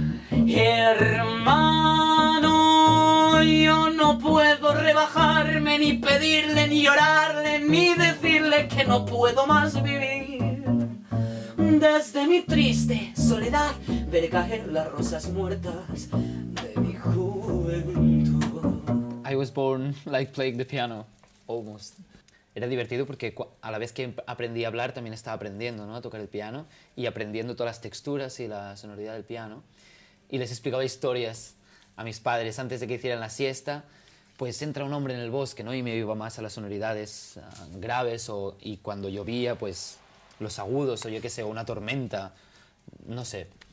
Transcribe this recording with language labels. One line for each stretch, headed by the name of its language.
Spanish: Hermano, yo no puedo rebajarme, ni pedirle, ni llorarle, ni decirle que no puedo más vivir. Desde mi triste soledad, ver caer las rosas muertas de mi juventud.
English: I was born like playing the piano, almost.
Spanish: Era divertido porque a la vez que aprendí a hablar, también estaba aprendiendo, ¿no?, a tocar el piano y aprendiendo todas las texturas y la sonoridad del piano. Y les explicaba historias a mis padres antes de que hicieran la siesta. Pues entra un hombre en el bosque, ¿no?, y me iba más a las sonoridades graves y cuando llovía, pues los agudos o yo qué sé, una tormenta, no sé.